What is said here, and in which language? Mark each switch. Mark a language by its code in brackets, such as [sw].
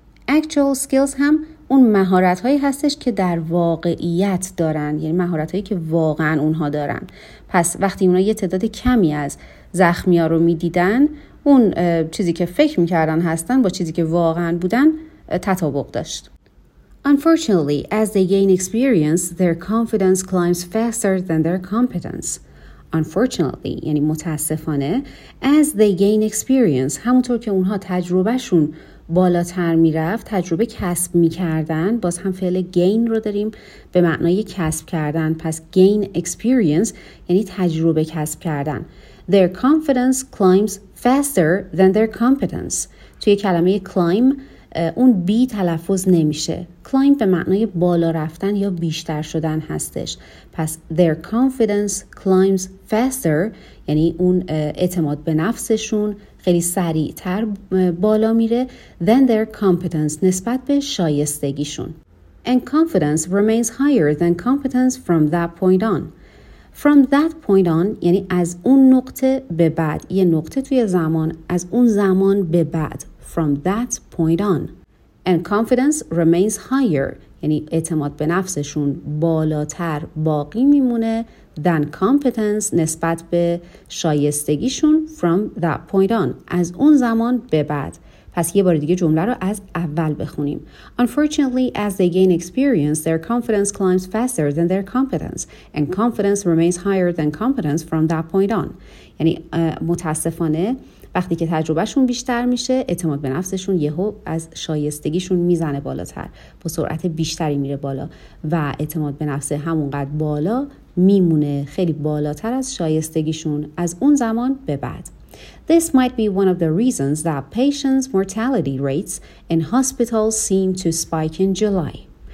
[en] actual skills [fa] هم اون مهارت‌هایی هستش که در واقعیت دارن، یعنی مهارت‌هایی که واقعا اونها دارن. پس وقتی اونا یه تعداد کمی از زخمی‌ها رو می‌دیدن، اون چیزی که فکر می‌کردن هستن با چیزی که واقعا بودن تطابق داشت. [en] Unfortunately, as they gain experience, their confidence climbs faster than their competence. [fa] Unfortunately, یعنی متاسفانه، [en] as they gain experience، [fa] همونطور که اونها تجربهشون بالاتر میرفت، تجربه کسب میکردن، باز هم فعل gain رو داریم به معنای کسب کردن، پس [en] gain experience [fa] یعنی تجربه کسب کردن. [en] Their confidence climbs faster than their competence. [fa] توی کلمه climb اون بی تلفظ نمیشه. Climb به معنای بالا رفتن یا بیشتر شدن هستش. پس [en] their confidence climbs faster [fa] یعنی اون اعتماد به نفسشون خیلی سریع تر بالا میره [en] than their competence [fa] نسبت به شایستگیشون. [en] And confidence remains higher than competence from that point on. From that point on [fa] یعنی از اون نقطه به بعد، یه نقطه توی زمان، از اون زمان به بعد. [en] From that point on. And confidence remains higher. [fa] یعنی اعتماد به نفسشون بالاتر باقی میمونه [en] than competence [fa] نسبت به شایستگیشون [en] from that point on. [fa] از اون زمان به بعد. پس یه بار دیگه جمله رو از اول بخونیم. [en] Unfortunately, as they gain experience, their confidence climbs faster than their competence. And confidence remains higher than competence from that point on. [fa] یعنی متاسفانه، وقتی که تجربهشون بیشتر میشه، اعتماد به نفسشون یهو از شایستگیشون میزنه بالاتر، با سرعت بیشتری میره بالا و اعتماد به نفس همونقدر بالا میمونه، خیلی بالاتر از شایستگیشون از اون زمان به بعد. [en] This might be one of the reasons that patients' mortality rates in hospitals seem to spike in July.